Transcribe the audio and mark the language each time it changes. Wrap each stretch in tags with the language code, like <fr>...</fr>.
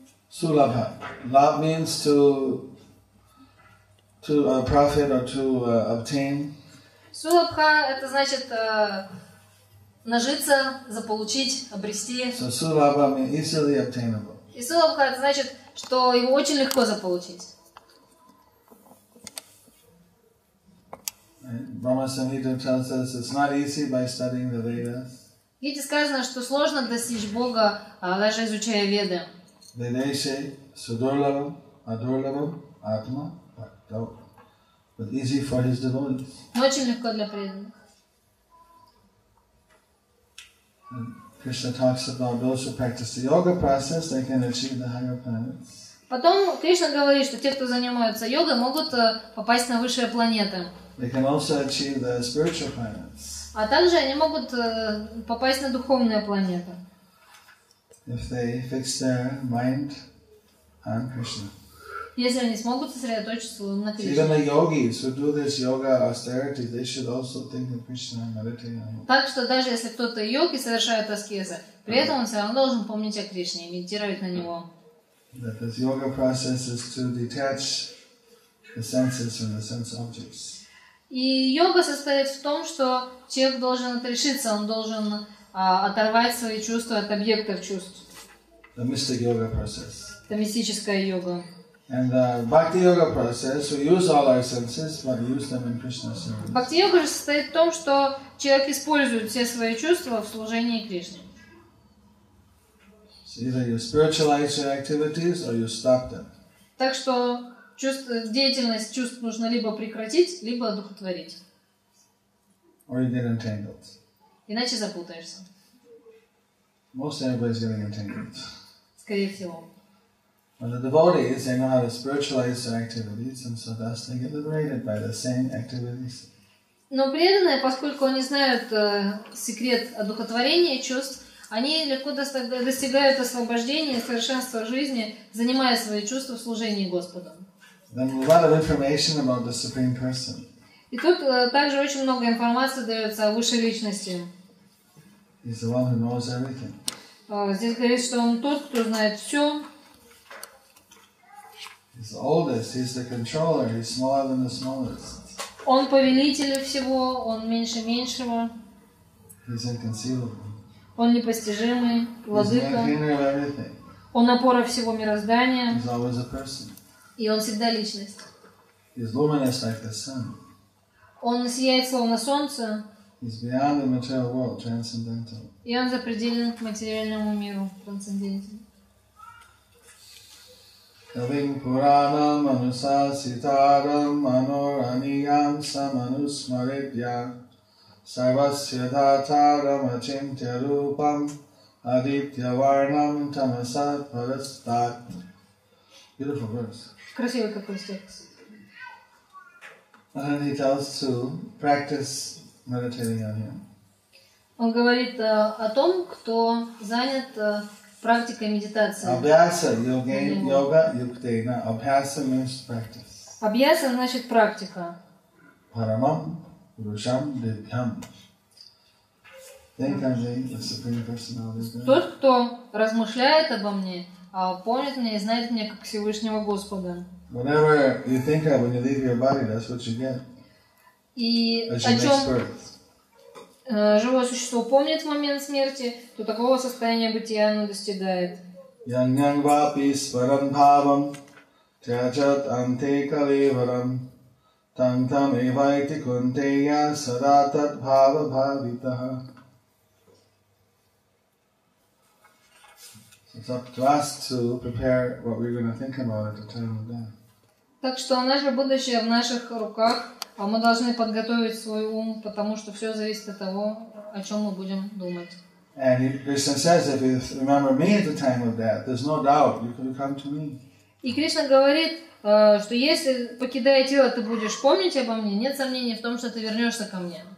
<en>Sulabha. Love means to profit or to obtain.</en> <ru>Сулабха это значит нажиться, заполучить, обрести.</ru> <en>So сулабха means easily obtainable.</en> <ru>И сулабха это значит, что его очень легко заполучить.</ru> <en>Brahma Samhita tells us it's not easy by studying the Vedas.</en> <ru>Гите сказано, что сложно достичь Бога, даже изучая Веды.</ru> <sa>Ведеше судурлабам, адурлабам, атма, бхакто.</sa> <en>But easy for his devotees.</en> <ru>Но очень легко для преданных.</ru> <en>Krishna talks about those who practice the yoga process, they can achieve the higher planets.</en> <ru>Потом Кришна говорит, что те, кто занимаются йогой, могут попасть на высшие планеты.</ru> <en>They can also achieve the spiritual planets.</en> <ru>А также они могут попасть на духовные планеты.</ru> <en>If they fix their mind on Krishna.</en> <ru>Если они смогут сосредоточиться на Кришне.</ru> <en>Even the yogis who do this yoga austerity, they should also think of Krishna and meditate on it.</en> <ru>Так что даже если кто-то йоги совершает аскезы, при этом он все равно должен помнить о Кришне и медитировать на него.</ru> <en>That this yoga process is to detach the senses from the sense objects.</en> <ru>И йога состоит в том, что человек должен отрешиться, он должен оторвать свои чувства от объектов чувств.</ru> <en>The mystic yoga process.</en> <ru>Это мистическая йога.</ru> <en>And the bhakti yoga process, we use all our senses, but use them in Krishna service.</en> <ru>Bhakti yoga состоит в том, что человек использует все свои чувства в служении Кришне.</ru> <en>So either you spiritualize your activities or you stop them.</en> <ru>Так что деятельность чувств нужно либо прекратить, либо одухотворить.</ru> <en>Or you get entangled.</en> <ru>Иначе запутаешься.</ru> <en>Most everybody's getting entangled.</en> <ru>Скорее всего.</ru> <en>But the devotees, they know how to spiritualize their activities, and so thus they get liberated by the same activities.</en> <ru>Но преданные, поскольку они знают секрет одухотворения чувств, они легко достигают освобождения и совершенства жизни, занимая свои чувства в служении Господу.</ru> <en>Then a lot of information about the Supreme Person.</en> <ru>И тут также очень много информации дается о Высшей Личности.</ru> <en>He's the one who knows everything.</en> <ru>Здесь говорится, что он тот, кто знает все.</ru> <en>He's the oldest, he's the controller, he's smaller than the smallest.</en> <ru>Он повелитель всего, он меньше меньшего.</ru> <en>He's inconceivable.</en> <ru>Он непостижимый, владыка.</ru> <en>He's the maintainer of everything.</en> <ru>Он опора всего мироздания.</ru> <en>He's always a person.</en> <ru>И он всегда личность.</ru> <en>He's luminous like the sun.</en> <ru>Он сияет словно солнце.</ru> <en>He's beyond the material world, transcendental.</en> <ru>И он запределен к материальному миру, трансцендентен.</ru> <sa>Kavim Puranam Manusa Sitaram Manoraniyam Samanus Maribhya Sarvasya Dhataram Achintya Rupam Aditya Varnam Tamasa Parastat.</sa> <en>Beautiful verse.</en> <ru>Красивый какой текст.</ru> <en>And he tells to practice meditating on him.</en> <ru>Он говорит о том, кто занят практикой медитации.</ru> <sa>Абьяса, йога, юктейна. Абьяса</sa> <en>means practice.</en> <ru>Абьяса значит практика.</ru> <sa>Парамам, пурушам, дивьям.</sa> <en>Think of me, the Supreme Personality of God.</en> <ru>Тот, кто размышляет обо мне, помнит меня и знает меня как Всевышнего Господа.</ru> <en>Whatever you think of when you leave your body, that's what you get.</en> <ru>И о чем живое существо помнит в момент смерти, то такого состояния бытия оно достигает.</ru> <sa>Яньяньвапи сварам бхавам тячат анте калеварам тантам эвайти кунтея садатат бхава бхавитаха.</sa> <en>It's up to us to prepare what we're going to think about at the time of death.</en> <ru>Так что наше будущее в наших руках. А мы должны подготовить свой ум, потому что все зависит от того, о чем мы будем думать. И Кришна говорит, что если, покидая тело, ты будешь помнить обо мне, нет сомнений в том, что ты вернешься ко мне.</ru>